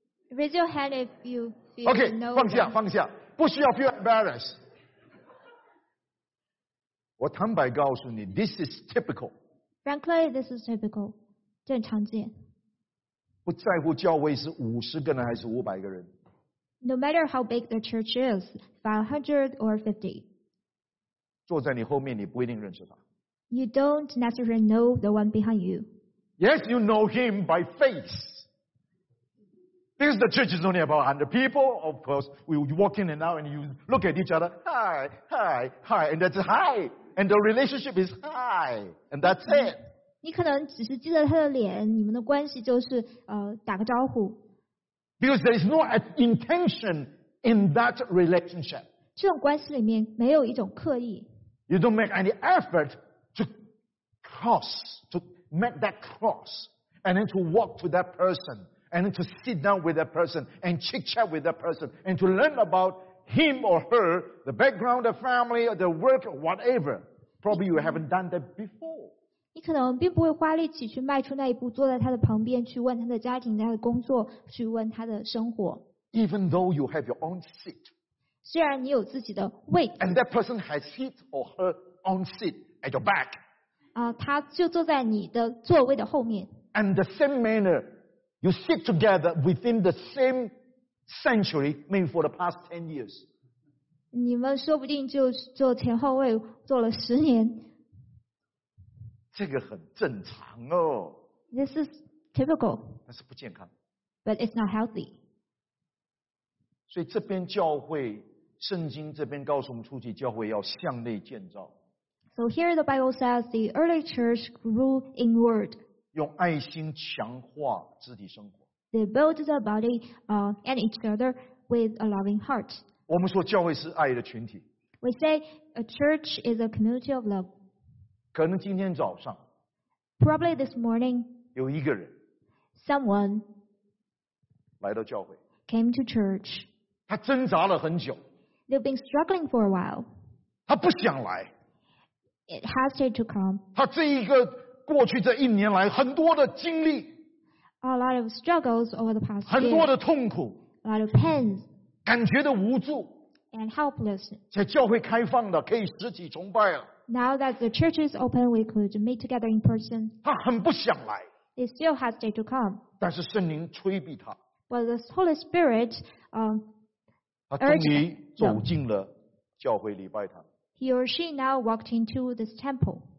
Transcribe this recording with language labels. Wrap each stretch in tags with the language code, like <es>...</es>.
<en>Raise your hand if you feel OK</en> <zh>放下不需要</zh> <en>feel embarrassed</en> <zh>我坦白告诉你</zh> <en>This is typical Frankly this is typical</en> <zh>正常见不在乎教会是五十个人还是五百个人</zh> <en>No matter how big the church is 500 or 50</en> <zh>坐在你后面你不一定认识他</zh> <en>You don't necessarily know the one behind you Yes, you know him by face. Because the church is only about 100 people. Of course, we walk in and out and you look at each other. Hi. And that's hi. And the relationship is hi. And that's it.</en> <zh>你可能只是记得他的脸，你们的关系就是打个招呼。</zh> <en>Because there is no intention in that relationship.</en> <zh>这种关系里面没有一种刻意。</zh> <en>You don't make any effort to cross, to... Make that cross and then to walk to that person and then to sit down with that person and chit chat with that person and to learn about him or her, the background, the family, the work, whatever. Probably you haven't done that before.</en> <zh>你可能并不会花力气去迈出那一步，坐在他的旁边去问他的家庭、他的工作，去问他的生活。</zh> <en>Even though you have your own seat.</en> <zh>虽然你有自己的位置。</zh> <en>And that person has his or her own seat at your back.</en> <zh>他就坐在你的座位的后面。</zh> <en>And the same manner, you sit together within the same sanctuary, maybe for the past 10 years.</en> <zh>你们说不定就坐前后位坐了十年。这个很正常哦。</zh> <en>This is typical.</en> <zh>但是不健康。</zh> <en>But it's not healthy.</en> <zh>所以这边教会，圣经这边告诉我们初期教会要向内建造。</zh> <en>So here the Bible says the early church grew inward.</en> <zh>用爱心强化肢体生活。</zh> <en>They built the body, and each other with a loving heart.</en> <zh>我们说教会是爱的群体。</zh> <en>We say a church is a community of love.</en> <zh>可能今天早上。</zh> <en>Probably this morning.</en> <zh>有一个人。</zh> <en>Someone.</en> <zh>来到教会。</zh> <en>Came to church.</en> <zh>他挣扎了很久。</zh> <en>They've been struggling for a while.</en> <zh>他不想来。</zh> <en>It has to come.</en> <zh>他这一个过去这一年来很多的经历。</zh> <en>a lot of struggles over the past year.</en> <zh>很多的痛苦。</zh> <en>A lot of pains.</en> <zh>感觉的无助。</zh> <en>And helplessness.</en> <zh>在教会开放的，可以实体崇拜了。</zh> <en>Now that the church is open, we could meet together in person.</en> <zh>他很不想来。</zh> <en>He still has day to come.</en> <zh>但是圣灵催逼他。</zh> <en>But the Holy Spirit,</en> <zh>他终于走进了教会礼拜堂。</zh> <en>He or she now walked into this temple.</en>